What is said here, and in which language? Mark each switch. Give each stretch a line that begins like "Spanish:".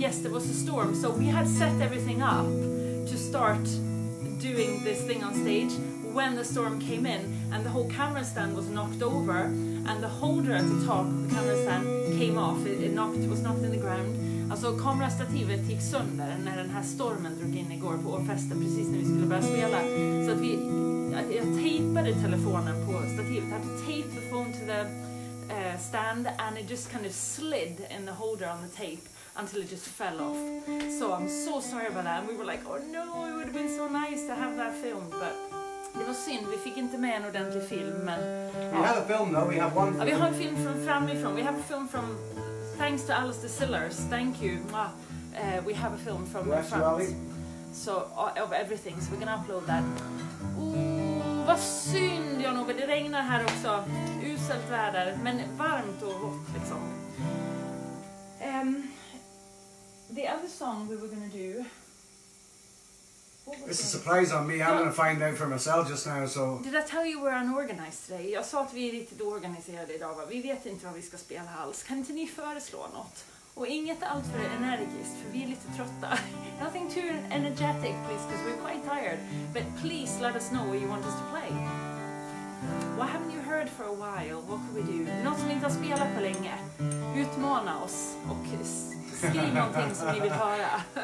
English: Yes, there was a storm, so we had set everything up to start doing this thing on stage when the storm came in, and the whole camera stand was knocked over, and the holder at the top of the camera stand came off. It was knocked in the ground.
Swedish: Alltså kamerastativet gick sönder när den här stormen drog in igår på årfesten, precis när vi skulle börja spela. Så att jag tejpade telefonen på stativet.
English: I had to tape the phone to the stand, and it just kind of slid in the holder on the tape until it just fell off. So I'm so sorry about that. And we were like, oh no, it would have been so nice to have that filmed, but...
Swedish: Det var synd, vi fick inte med en ordentlig film, men...
English: We have a film though, we have one film.
Swedish: Vi har en film från framifrån,
English: we have a film from... Thanks to Alistair Sillars, thank you. We have a film from France. So, of everything, so we're gonna upload that.
Swedish: Ooh, vad synd, Jan-Ove, det regnar här också. Uselt väder, men varmt och hot, liksom.
English: The other song we were gonna do... It's a surprise on me. I'm going to find out for myself just now, so... Did I tell you we're unorganized today?
Swedish: Jag sa att vi är lite oorganiserade idag, vi vet inte vad vi ska spela alls. Kan inte ni föreslå något? Och inget allt för energiskt, för vi är lite trötta.
English: Nothing too energetic, please, because we're quite tired. But please let us know what you want us to play. What haven't you heard for a while? What could we do?
Swedish: Något som inte har spelat på länge. Utmana oss och skriv någonting som vi vill höra.